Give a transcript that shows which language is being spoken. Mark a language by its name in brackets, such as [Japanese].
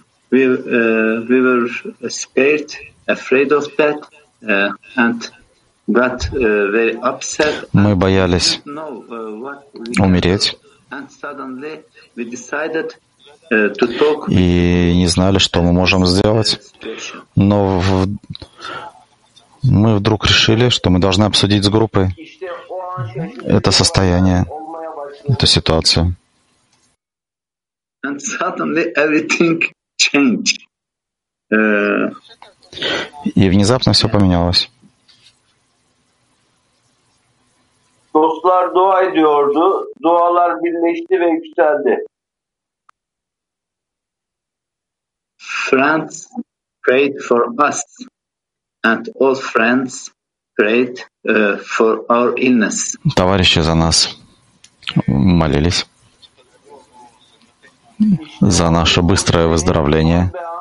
[English] We were scared, afraid of that, and got very upset. [Russian] Мы боялись умереть. [English] And suddenly we decided to talk. [Russian] И не знали, что мы можем сделать. Но мы вдруг решили, что мы должны обсудить с группой это состояние, эту ситуацию. [English] And suddenly everything changed. [Russian] И внезапно все поменялось. [Turkish] Dostlar dua ediyordu, dualar birleşti ve yükseldi. [English] Friends prayed for us, and all friends prayed for our illness. [Russian] Товарищи за нас молились за наше быстрое выздоровление.